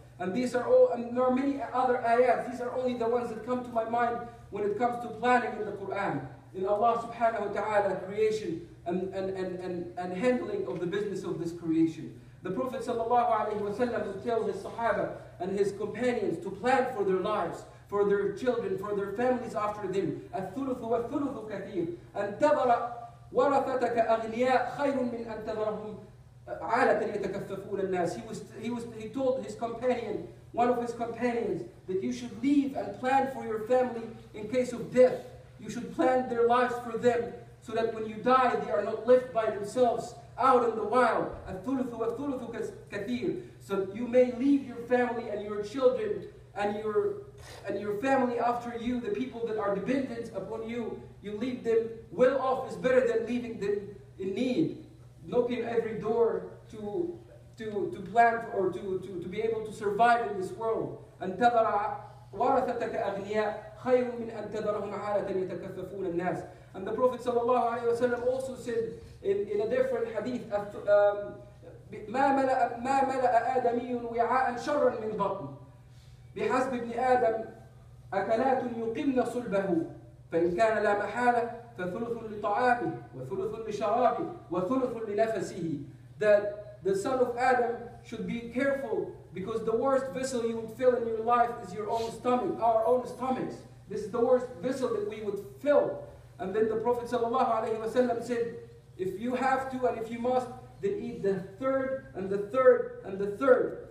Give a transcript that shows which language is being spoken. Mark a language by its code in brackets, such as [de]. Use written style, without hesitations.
[en] And these are all, and there are many other ayats. These are only the ones that come to my mind when it comes to planning in the Quran, in Allah subhanahu wa ta'ala creation and handling of the business of this creation. The Prophet sallallahu alayhi wa sallam would tell his sahaba and his companions to plan for their lives, for their children, for their families after them. [ar] الثلث والثلث كثير. أن تبر ورثتك أغنياء خير من أن تبرهم عالة يتكففون الناس. [en] He told his companion, one of his companions, that you should leave and plan for your family in case of death. You should plan their lives for them so that when you die, they are not left by themselves out in the wild. [ar] الثلث والثلث كثير. [en] So you may leave your family and your children and your family after you, the people that are dependent upon you, you leave them well off is better than leaving them in need. Knocking every door to plant or to be able to survive in this world. [ar] أن تذر ورثتك أغنياء خير من أن تذرهم عالة يتكففون الناس. [en] And the Prophet صلى الله عليه وسلم also said in a different hadith, [ar] ما ملأ آدمي وعاء شرا من بطن بحسب ابن آدم أكلات يقمن صلبه فإن كان لا محالة فثلث لطعامه وثلث لشرابه وثلث لنفسه. [en] That the son of Adam should be careful, because the worst vessel you would fill in your life is your own stomach, our own stomachs. This is the worst vessel that we would fill. And then the Prophet sallallahu alaihi wasallam said, if you have to and if you must, then eat the third and the third and the third.